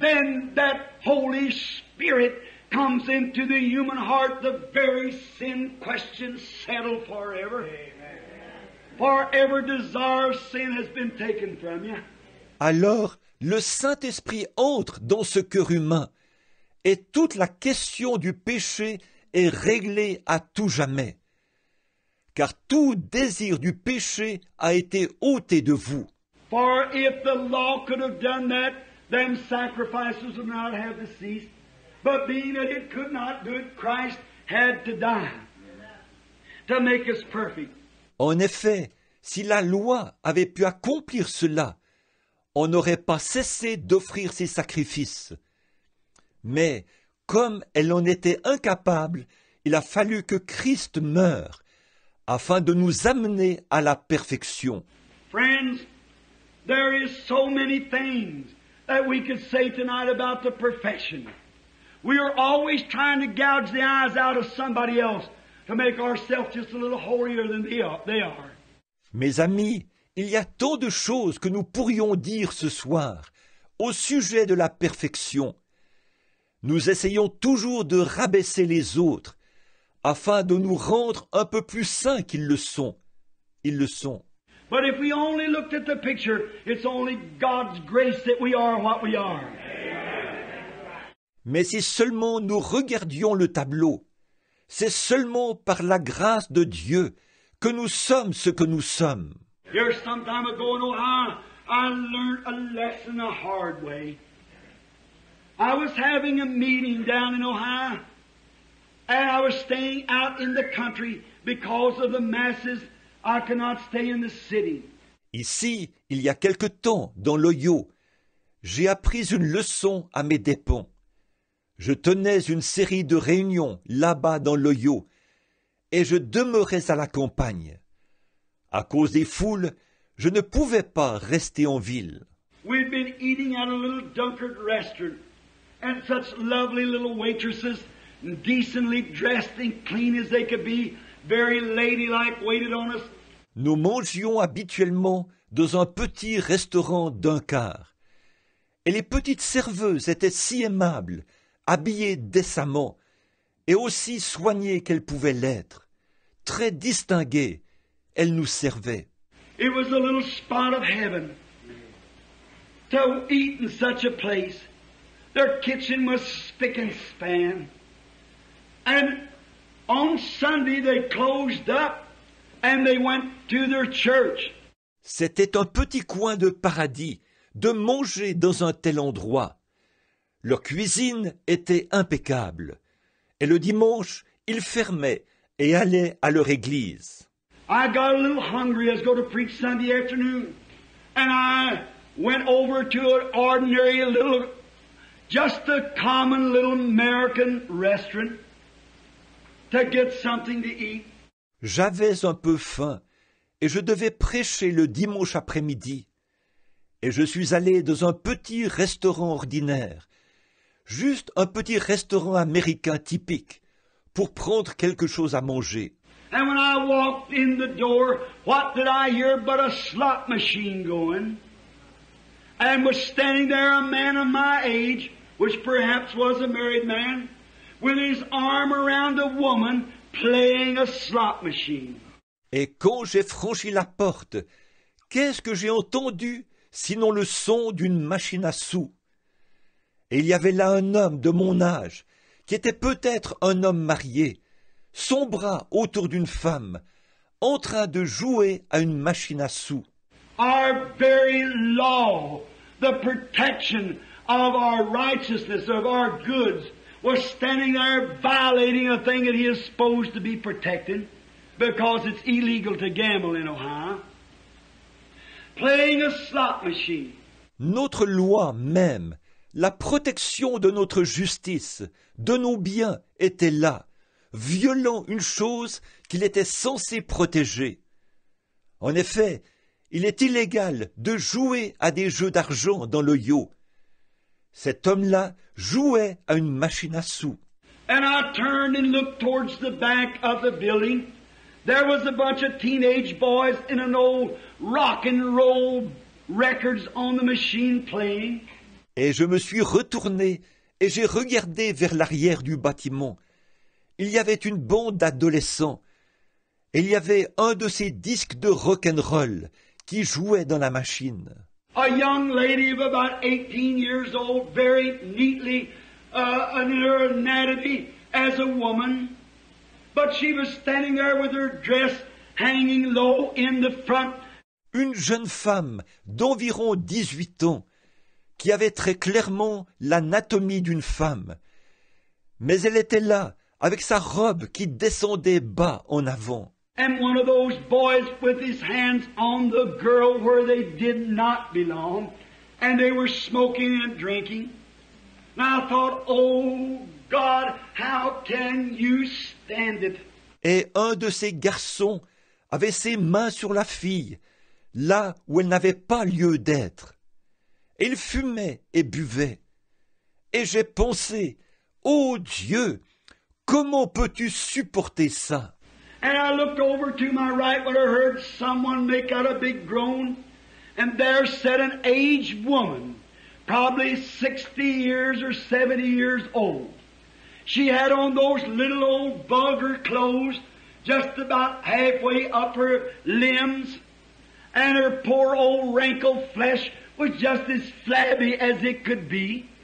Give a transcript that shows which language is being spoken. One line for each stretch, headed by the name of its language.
English: Then that Holy Spirit comes into the human heart, the very sin question settled forever. Forever desire of sin has been taken from you.
French: Alors, le Saint-Esprit entre dans ce cœur humain et toute la question du péché est réglée à tout jamais. Car tout désir du péché a été ôté de vous.
English: For if the law could have done that, then sacrifices would not have ceased. But being that it could not do it, Christ had to die to make us perfect.
French: En effet, si la loi avait pu accomplir cela, on n'aurait pas cessé d'offrir ses sacrifices. Mais comme elle en était incapable, il a fallu que Christ meure afin de nous amener à la perfection.
English: Friends, there is so many things that we could say tonight about the perfection. We are always trying to gouge the eyes out of somebody else to make ourselves just a little holier than they are.
French: Mes amis, il y a tant de choses que nous pourrions dire ce soir au sujet de la perfection. Nous essayons toujours de rabaisser les autres afin de nous rendre un peu plus saints qu'ils le sont. Ils le sont.
English: But if we only looked at the picture, it's only God's grace that we are what we are.
French: Mais si seulement nous regardions le tableau, c'est seulement par la grâce de Dieu que nous sommes ce que nous sommes.
English: Here some time ago in Ohio, I learned a lesson the hard way. I was having a meeting down in Ohio, and I was staying out in the country because of the masses. I cannot stay in the city.
French: Ici, il y a quelque temps, dans l'Ohio, j'ai appris une leçon à mes dépens. Je tenais une série de réunions là-bas dans l'Ohio, et je demeurais à la campagne. À cause des foules, je ne pouvais pas rester en ville.
English: We've been eating at a little dunkered restaurant, and such lovely little waitresses, decently dressed and clean as they could be, very ladylike, waited on us.
French: Nous mangions habituellement dans un petit restaurant d'un quart, et les petites serveuses étaient si aimables, habillées décemment, et aussi soignées qu'elles pouvaient l'être, très distinguées. Elle nous servait.
English: It was a little spot of heaven to eat in such a place. Their kitchen was spick and span. And on Sunday they closed up and they went to their church.
French: C'était un petit coin de paradis de manger dans un tel endroit. Leur cuisine était impeccable. Et le dimanche, ils fermaient et allaient à leur église.
English: I got a little hungry as I go to preach Sunday afternoon, and I went over to an ordinary little, just a common little American restaurant to get something to eat.
French: J'avais un peu faim, et je devais prêcher le dimanche après-midi, et je suis allé dans un petit restaurant ordinaire, juste un petit restaurant américain typique, pour prendre quelque chose à manger.
English: And when I walked in the door, what did I hear but a slot machine going? And was standing there a man of my age, which perhaps was a married man, with his arm around a woman playing a slot machine.
French: Et quand j'ai franchi la porte, qu'est-ce que j'ai entendu sinon le son d'une machine à sous? Et il y avait là un homme de mon âge, qui était peut-être un homme marié, son bras autour d'une femme, en train de jouer à une machine à sous.
English: Our very law, the protection of our righteousness, of our goods, was standing there violating a thing that he is supposed to be protecting, because it's illegal to gamble in Ohio, playing a slot machine.
French: Notre loi même, la protection de notre justice, de nos biens, était là, violant une chose qu'il était censé protéger. En effet, il est illégal de jouer à des jeux d'argent dans le yo. Cet homme-là jouait à une machine à sous.
English: And I turned and looked towards the back of the building. There was a bunch of teenage boys in an old rock and roll records on the machine playing.
French: Et je me suis retourné et j'ai regardé vers l'arrière du bâtiment. Il y avait une bande d'adolescents, et il y avait un de ces disques de rock'n'roll qui jouait dans la machine.
English: A young lady of about 18 years old, very neatly in her anatomy as a woman, but she was standing there with her dress hanging low in the front.
French: Une jeune femme d'environ 18 ans, qui avait très clairement l'anatomie d'une femme, mais elle était là, avec sa robe qui descendait bas en avant.
English: And one of those boys with his hands on the girl where they did not belong, and they were smoking and drinking. And I thought, oh God, how can you stand it?
French: Et un de ces garçons avait ses mains sur la fille, là où elle n'avait pas lieu d'être. Il fumait et buvait. Et j'ai pensé, Ô Dieu, comment peux-tu supporter ça?
English: And I looked over to my right when I heard someone make out a big groan, and there sat an aged woman, probably 60 years or 70 years old. She had on those little old vulgar clothes, just about halfway up her limbs, and her poor old wrinkled flesh was just as flabby as it could be.